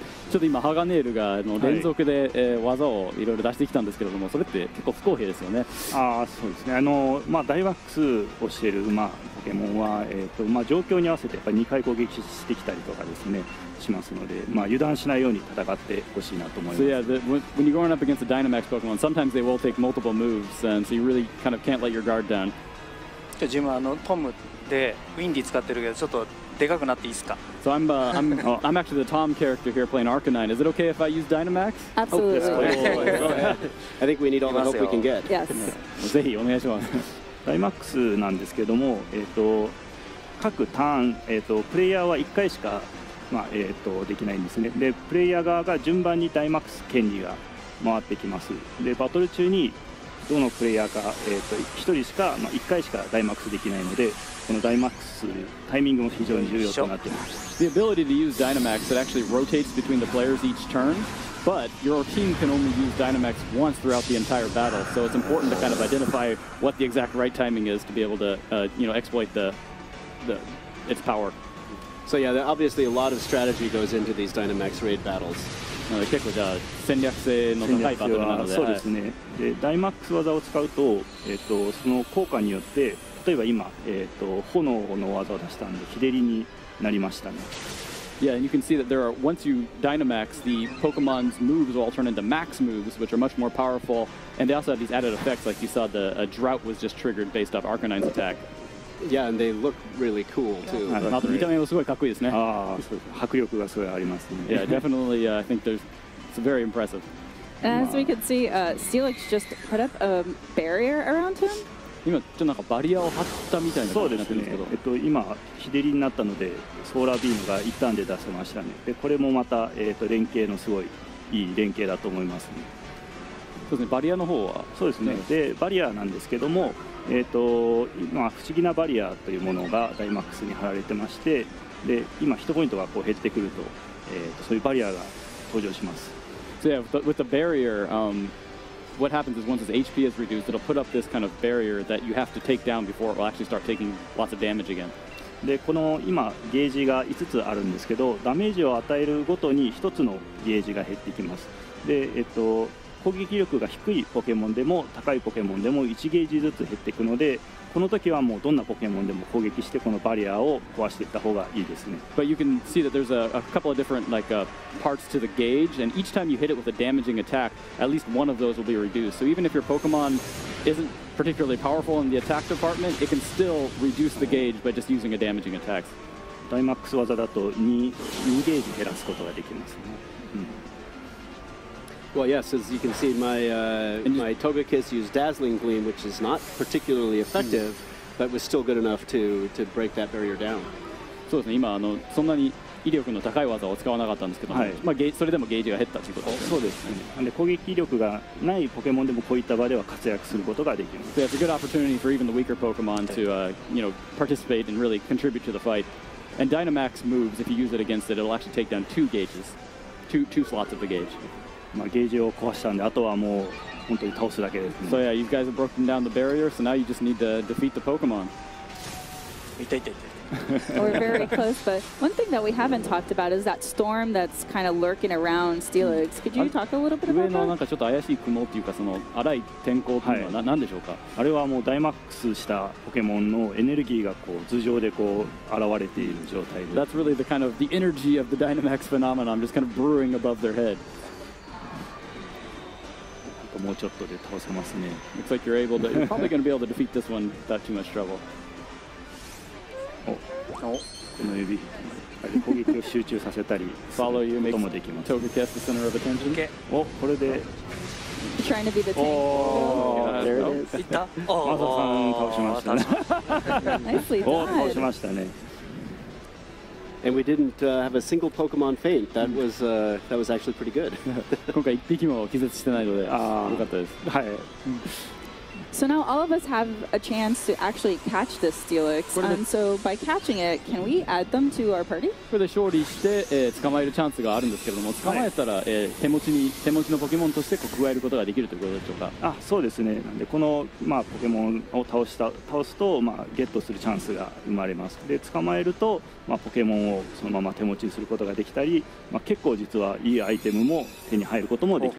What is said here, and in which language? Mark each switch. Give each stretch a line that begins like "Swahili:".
Japanese: ちょっと今、ハガネイルが連続で、はい技をいろいろ出してきたんですけれども、それって結構不公平ですよね。ああ、そうですね。まあ、ダイワックスをしている、まあ、ポケモンは、まあ、状況に合わせてやっぱ2回攻撃してきたりとかですね、しますので、まあ、油断しないように戦ってほしいなと思います。
English: So yeah, when you're going up against a Dynamax Pokemon, sometimes they will take multiple moves, and so you really kind of can't let your guard down.
Japanese: 自分はトムでウィンディ使ってるけど、ちょっと。
English: So I'm actually the Tom character here playing Arcanine. Is it okay if I use Dynamax? Absolutely. Yes, oh, yeah. I think we need all the help we can get. Yes.
Japanese: ぜひお願いします。 Dynamax なんですけども、各ターン、プレイヤーは1回しか、まあできないんですね。で、プレイヤー側が順番に Dynamax 権利が回ってきます。で、バトル中にどのプレイヤーか、1人しか、まあ、1回しかダイマックスできないので、このダイマックスタイミングも非常に重要となっています。
English: The ability to use Dynamax that actually rotates between the players each turn, but your team can only use Dynamax once throughout the entire battle, so it's important to kind of identify what the exact right timing is to be able to exploit the its power. So yeah, obviously a lot of strategy goes into these Dynamax raid battles.
Japanese: 結構じゃあ戦略性の高いバトルなので、そうですね、はい、でダイマックス技を使う と、その効果によって、例えば今、炎の技を出したんで日照りになりましたね。
English: Yeah, and you can see that there are, once you Dynamax, the Pokemon's moves will all turn into max moves, which are much more powerful, and they also have these added effects, like you saw the drought was just triggered based off Arcanine's attack. Yeah, and they look really cool too.
Japanese: あと見た目もすごいかっこいいですね。ああ、迫力がすごいありますね。
English: Yeah, definitely, I think it's very impressive. And as we can see, Steelix just put up a barrier around him.
Japanese: 今、ちょっとなんかバリアを張ったみたいな感じになってるんですけど。そうですね。今、日照りになったので、ソーラービームが一旦で出せましたね。で、これもまた、連携のすごいいい連携だと思いますね。そうですね、バリアの方は。そうですね。で、バリアなんですけども、まあ、不思議なバリアというものがダイマックスに貼られてまして、で今ヒットポイントがこう減ってくると、そういうバリアが登場します。
English: So yeah, but with the barrier, what happens is once his HP is reduced, it'll put up this kind of barrier that you have to take down before it will actually start taking lots of damage again.
Japanese: で、この今ゲージが5つあるんですけど、ダメージを与えるごとに1つのゲージが減ってきます。で、攻撃力が低いポケモンでも高いポケモンでも1ゲージずつ減っていくので、この時はもうどんなポケモンでも攻撃してこのバリアを壊していった方がいいですね。
English: But you can see that there's a couple of different like, parts to the gauge, and each time you hit it with a damaging attack, at least one of those will be reduced. So even if your Pokemon isn't particularly powerful in the attack department, it can still reduce the gauge by just using a damaging attack.
Japanese: ダイマックス技だと 2ゲージ減らすことができますね。
English: Well, yes, as you can see, my Togekiss used Dazzling Gleam, which is not particularly effective, but was still good enough to break that barrier down.
Japanese: そうですね、今そんなに威力の高い技を使わなかったんですけども、はい、まあ、それでもゲージが減ったということですね。そうですね、なんで攻撃力がないポケモンでもこういった場では活躍することができます。
English: So it's a good opportunity for even the weaker Pokemon to, participate and really contribute to the fight. And Dynamax moves, if you use it against it, it'll actually take down two slots of the gauge.
Japanese: まあ、ゲージを壊したんで、あとはもう本当に倒すだけですね。
English: So yeah, you guys have broken down the barrier, so now you just need to defeat the Pokemon.
Japanese: 痛い痛い痛い痛い。
English: We're very close, but one thing that we haven't talked about is that storm that's kind of lurking around Steelix. Could you talk a little bit about that?
Japanese: 上のちょっと怪しい雲っていうか、その荒い天候っていうのは何でしょうか？あれはもうダイマックスしたポケモンのエネルギーがこう頭上でこう現れている状態で。
English: That's really the kind of the energy of the Dynamax phenomenon just kind of brewing above their head.
Japanese: もうちょっとで倒せますね。
English: Looks like you're able to, you're probably going to be able to defeat this one without too much trouble.
Japanese: この指、あれ攻撃を集中させたり、
English: Follow you,
Japanese: こともできます。
English: Togekiss, the center of attention.
Japanese: お、これで。
English: Trying to be the tank. There it is.
Japanese: マサさん倒しましたね。
English: Nicely done.
Japanese: 倒しましたね。
English: And we didn't have a single Pokemon faint. That was actually pretty good.
Japanese: 今回一匹も気絶してないので、良かったです。はい。
English: So now all of us have a chance to actually catch this Steelix. And so by catching it, can we add them to our party?
Japanese: これで勝利して、捕まえるチャンスがあるんですけれども、捕まえたら、手持ちのポケモンとして加えることができるということでしょうか。あ、そうですね。なんでこの、まあ、ポケモンを倒すと、まあ、ゲットするチャンスが生まれます。で、捕まえると、まあ、ポケモンをそのまま手持ちにすることができたり、まあ、結構実はいいアイテムも手に入ることもできる。